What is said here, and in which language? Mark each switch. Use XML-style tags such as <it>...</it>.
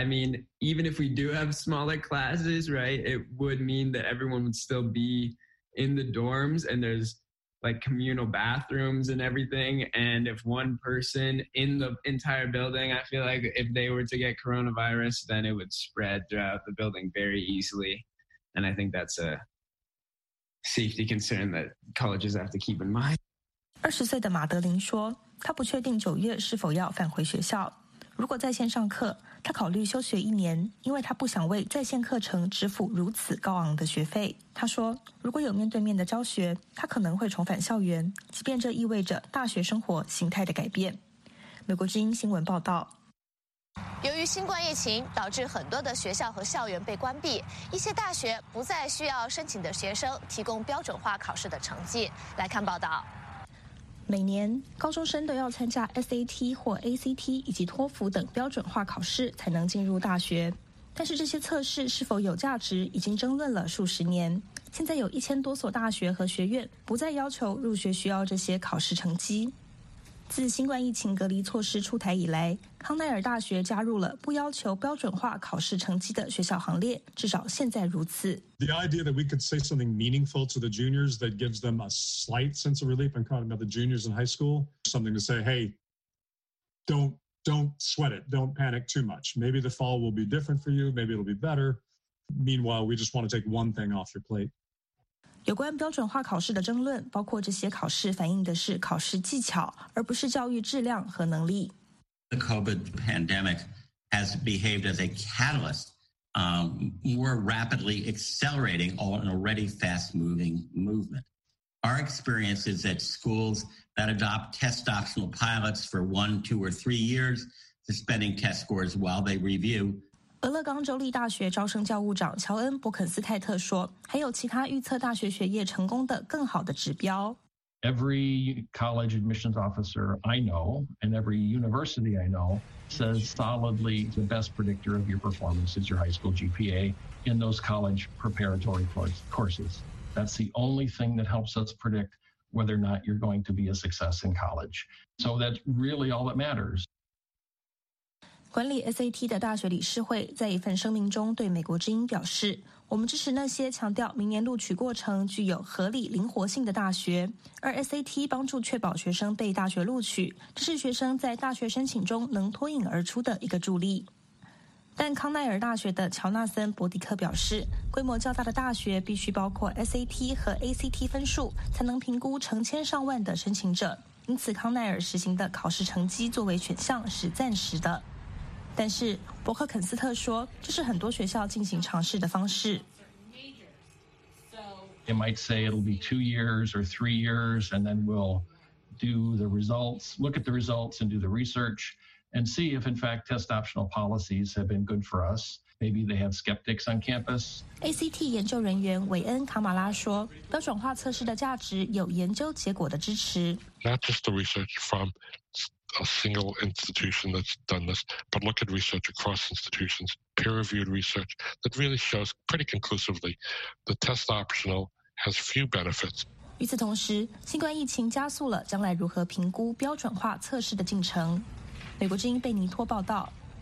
<en>I mean, even if we do have smaller classes, right, it would mean that everyone would still be in the dorms and there's like communal bathrooms and everything. And if one person in the entire building, I feel like if they were to get coronavirus, then it would spread throughout the building very easily. And I think that's a... safety concern that colleges have to keep in mind.</en> <zh>20岁的马德琳说，她不确定九月是否要返回学校。如果在线上课，她考虑休学一年，因为她不想为在线课程支付如此高昂的学费。她说，如果有面对面的教学，她可能会重返校园，即便这意味着大学生活形态的改变。美国之音新闻报道。由于新冠疫情导致很多的学校和校园被关闭，一些大学不再需要申请的学生提供标准化考试的成绩。来看报道。每年高中生都要参加 SAT 或 ACT 以及托福等标准化考试才能进入大学，但是这些测试是否有价值已经争论了数十年。现在有1000多所大学和学院不再要求入学需要这些考试成绩。自新冠疫情隔离措施出台以来，康奈尔大学加入了不要求标准化考试成绩的学校行列，至少现在如此。</zh> <en>The idea that we could say something meaningful to the juniors that gives them a slight sense of relief, I'm talking about the juniors in high school, something to say, hey, don't sweat it, don't panic too much. Maybe the fall will be different for you, maybe it'll be better. Meanwhile, we just want to take one thing off your plate.</en> <zh>有关标准化考试的争论，包括这些考试反映的是考试技巧，而不是教育质量和能力。</zh> <en>The COVID pandemic has behaved as a catalyst, more rapidly accelerating an already fast-moving movement. Our experience is that schools that adopt test optional pilots for 1, 2, or 3 years suspending test scores while they review.</en> <zh>俄勒冈州立大学招生教务长乔恩·伯肯斯泰特说，还有其他预测大学学业成功的更好的指标。</zh> <en>Every college admissions officer I know and every university I know says solidly the best predictor of your performance is your high school GPA in those college preparatory courses. That's the only thing that helps us predict whether or not you're going to be a success in college. So that's really all that matters.</en> <zh>管理 SAT 的大学理事会在一份声明中对美国之音表示，我们支持那些强调明年录取过程具有合理灵活性的大学，而 SAT 帮助确保学生被大学录取，这是学生在大学申请中能脱颖而出的一个助力。但康奈尔大学的乔纳森·伯迪克表示，规模较大的大学必须包括 SAT 和 ACT 分数，才能评估成千上万的申请者，因此康奈尔实行的考试成绩作为选项是暂时的。但是伯克肯斯特说，这是很多学校进行尝试的方式。</zh> <en>It might say it'll be 2 years or 3 years, and then we'll do the results, look at the results, and do the research, and see if in fact test optional policies have been good for us. Maybe they have skeptics on campus.</en> <zh>ACT 研究人员韦恩·卡马拉说，标准化测试的价值有研究结果的支持。</zh> <en>Not just the research from. A single institution that's done this, but look at research across institutions, peer-reviewed research that really shows pretty conclusively the test optional has few benefits.</en> <zh>与此同时，新冠疫情加速了将来如何评估标准化测试的进程。美国之音贝尼托报道。</zh>